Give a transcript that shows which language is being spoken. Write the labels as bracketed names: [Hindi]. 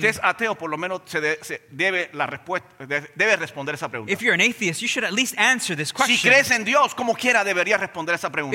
[Spanish] si usted es ateo, por lo menos debe responder esa pregunta. [English] If you're an atheist, you should at least answer this question. [Spanish] Si crees en Dios, como quiera, debería responder esa pregunta.